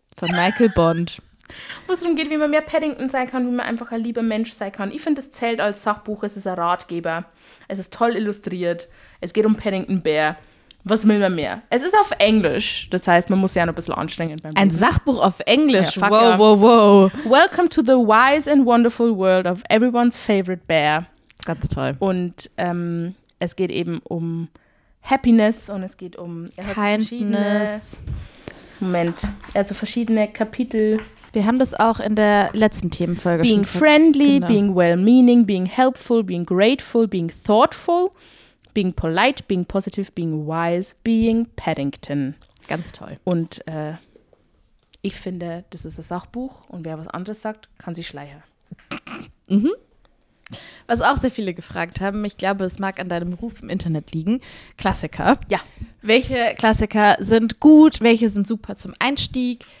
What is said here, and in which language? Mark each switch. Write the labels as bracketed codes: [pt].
[de] Von Michael Bond. Wo es darum geht, wie man mehr Paddington sein kann, wie man einfach ein lieber Mensch sein kann. Ich finde, es zählt als Sachbuch, es ist ein Ratgeber. Es ist toll illustriert. Es geht um Paddington Bear. Was will man mehr? Es ist auf Englisch. Das heißt, man muss ja noch ein bisschen anstrengen. Beim ein Buch. Sachbuch auf Englisch. Ja, wow, wow, wow. [en] Welcome to the wise and wonderful world of everyone's favorite bear. [de] Ganz toll. Und es geht eben um Happiness und es geht um [en] Kindness. [de] Moment, also verschiedene Kapitel. Wir haben das auch in der letzten Themenfolge [en] being [de] schon. [en] Being friendly, [de] genau. [en] Being well-meaning, being helpful, being grateful, being thoughtful, being polite, being positive, being wise, being Paddington. [de] Ganz toll. Und ich finde, das ist ein Sachbuch und wer was anderes sagt, kann sie schleiern. Mhm. Was auch sehr viele gefragt haben, ich glaube, es mag an deinem Ruf im Internet liegen, Klassiker. Ja. Welche Klassiker sind gut, welche sind super zum Einstieg?